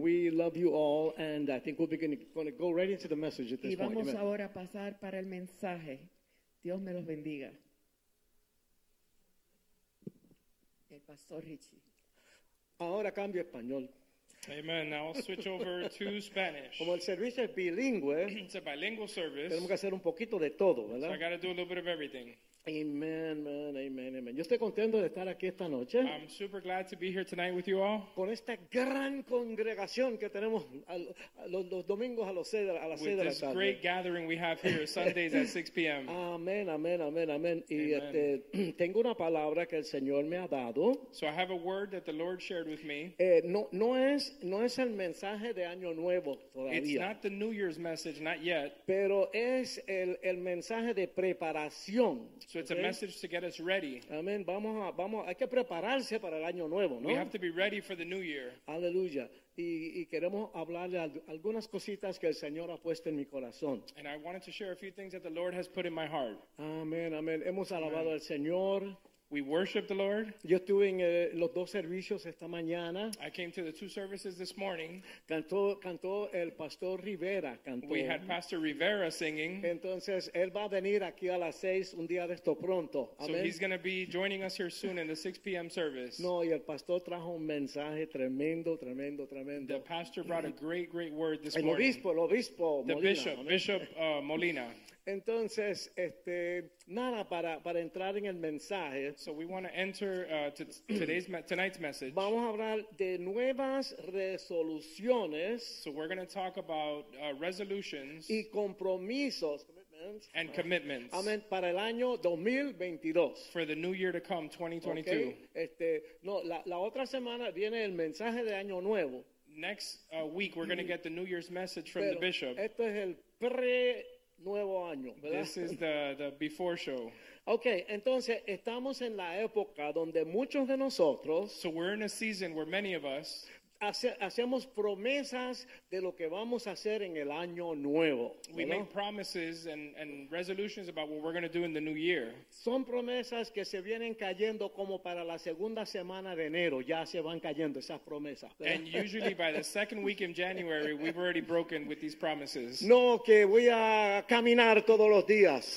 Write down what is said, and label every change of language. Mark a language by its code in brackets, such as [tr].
[en] We love you all, and I think we're going to go right into the message at this point. [es] Y vamos ahora a pasar para el mensaje. Dios me los bendiga. El Pastor Richie. Ahora cambio español. [en] Amen. Now I'll switch over to Spanish. [es] Como el servicio es bilingüe, [en] it's a bilingual service. [es] Tenemos que hacer un poquito de todo, ¿verdad? [en] So I got to do a little bit of everything. Amen, man, amen, amen. [es] Yo estoy contento de estar aquí esta noche. [en] I'm super glad to be here tonight with you all. [es] Con esta gran congregación que tenemos los domingos a las 6 de la tarde. [en] With this great gathering we have here Sundays at 6 p.m. Amen, amen, amen, amen. [es] Y tengo una palabra que el Señor me ha dado. [en] So I have a word that the Lord shared with me. [es] No es el mensaje de Año Nuevo todavía. [en] It's not the New Year's message, not yet. [es] Pero es el mensaje de preparación. [en] So it's a message to get us ready. Amen. [es] Hay que prepararse para el año nuevo, ¿no? [en] We have to be ready for the new year. [es] Aleluya. Y queremos hablarle algunas cositas que el Señor ha puesto en mi corazón. [en] And I wanted to share a few things that the Lord has put in my heart. [es] Amen, amen. Hemos alabado al Señor. [en] We worship the Lord. [es] Yo estuve en los dos servicios esta mañana. [en] I came to the two services this morning. [es] Cantó el Pastor Rivera. [en] We had Pastor Rivera singing. [es] Entonces, él va a venir aquí a las seis un día de esto pronto. [en] Amen. So he's going to be joining us here soon in the 6 p.m. service. [es] No, y el Pastor trajo un mensaje tremendo, tremendo, tremendo. [en] The Pastor brought a great, great word this morning. [es] El Obispo Molina. [en] The Bishop, Amen. Bishop Molina. [es] Entonces, nada para entrar en el mensaje. [en] So we want to enter tonight's message. [es] Vamos a hablar de nuevas resoluciones. [en] So we're going to talk about resolutions. [es] Y compromisos. [en] And commitments. [es] Amen. Para el año 2022. [en] For the new year to come, 2022. Okay. [es] La otra semana viene el mensaje de año nuevo. [en] Next week, we're going to get the new year's message from the bishop. [es] Esto es el pre Nuevo año, ¿verdad? [en] This is the before show. [es] Okay, entonces estamos en la época donde muchos de nosotros. [en] So we're in a season where many of us. [es] Hacemos promesas de lo que vamos a hacer en el año nuevo. [en] We [es] ¿verdad? [en] Make promises and resolutions about what we're going to do in the new year. [es] Son promesas que se vienen cayendo como para la segunda semana de enero. Ya se van cayendo esas promesas. ¿Verdad? [en] And usually by the second week in January, we've already broken with these promises. [es] No, que voy a caminar todos los días.